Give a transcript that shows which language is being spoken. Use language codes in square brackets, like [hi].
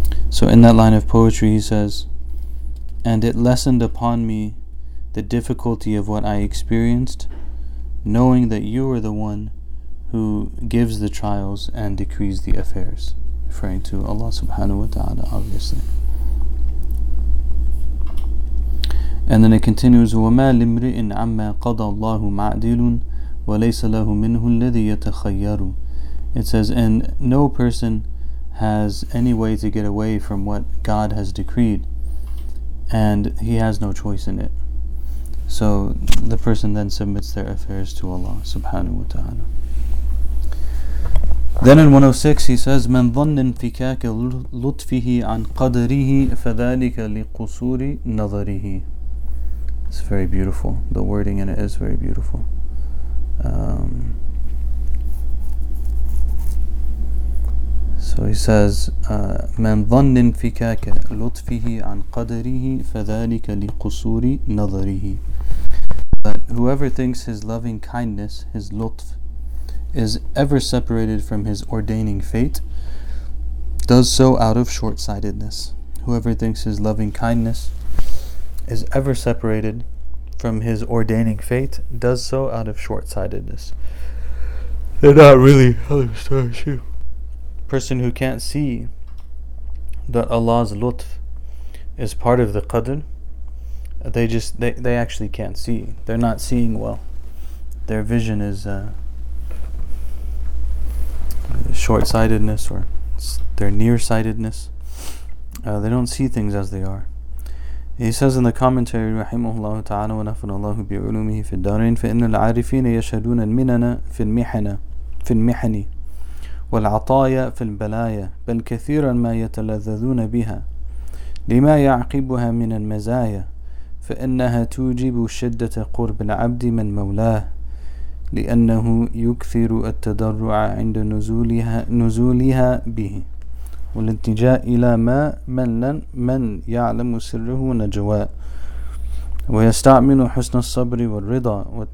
[en] So in that line of poetry he says, "And it lessened upon me the difficulty of what I experienced, knowing that you are the one who gives the trials and decrees the affairs," referring to Allah subhanahu wa ta'ala, obviously. And then it continues, [ar] وَمَا لِمْرِئٍ عَمَّا قَضَى اللَّهُ مَعْدِلٌ وَلَيْسَ لَهُ مِنْهُ الَّذِي يَتَخَيَّرُ. [en] It says, and no person has any way to get away from what God has decreed, and he has no choice in it. So the person then submits their affairs to Allah subhanahu wa ta'ala. Then in 106 he says, [ar] مَنْ ظَنَّ انْفِكَاكَ لُطْفِهِ عَنْ قَدْرِهِ فَذَلِكَ لِقُصُورِ نَظَرِهِ. [en] It's very beautiful. The wording in it is very beautiful. So he says, [ar] مَنْ ظَنَّ انْفِكَاكَ لُطْفِهِ عَنْ قَدْرِهِ فَذَلِكَ لِقُصُورِ نَظَرِهِ. [en] But whoever thinks his loving kindness, his lutf, is ever separated from his ordaining fate, does so out of short-sightedness. Whoever thinks his loving kindness is ever separated from his ordaining fate, does so out of short-sightedness. They're not really other stars here. Person who can't see that Allah's lutf is part of the qadr, they actually can't see. They're not seeing well. Their vision is short-sightedness, or their nearsightedness. They don't see things as they are. He says in the commentary, [ar] رحمه تعالى ونفن الله بعلومه في الدارين فإن العارفين يشهدون المننا في المحنة في المحنة والعطايا في البلايا بل كثيرا ما يتلذذون بها لما يعقبها من المزايا فإنها توجب شدة قرب العبد من مولاه لأنه يكثر التضرع عند نزولها به والاتجاء إلى ما من يعلم سره نجواء ويستعمل حسن الصبر والرضا